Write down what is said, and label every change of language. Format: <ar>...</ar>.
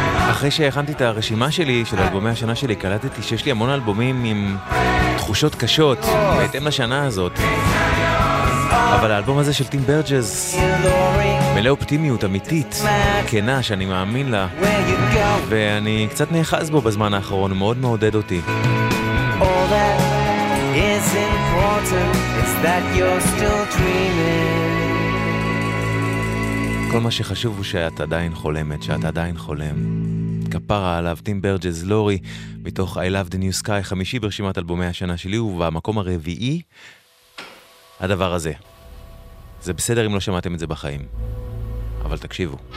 <he>אחרי שהכנתי את הרשימה שלי של אלבומי השנה שלי, קלטתי שיש לי המון אלבומים עם תחושות קשות בהתאם לשנה הזאת. אבל האלבום הזה של טים ברג'ז מלא אופטימיות אמיתית, כנה, שאני מאמין לה, ואני קצת נאחז בו בזמן האחרון, הוא מאוד מעודד אותי.</he> <en>All that is important is that you're still dreaming.</en> <he>כל מה שחשוב הוא שאת עדיין חולמת, שאת עדיין חולם. כפרה עליו, טים ברג'ז, לורי, מתוך I Love the New Sky, חמישי ברשימת אלבומי השנה שלי, ובמקום הרביעי, הדבר הזה. זה בסדר אם לא שמעתם את זה בחיים, אבל תקשיבו.</he>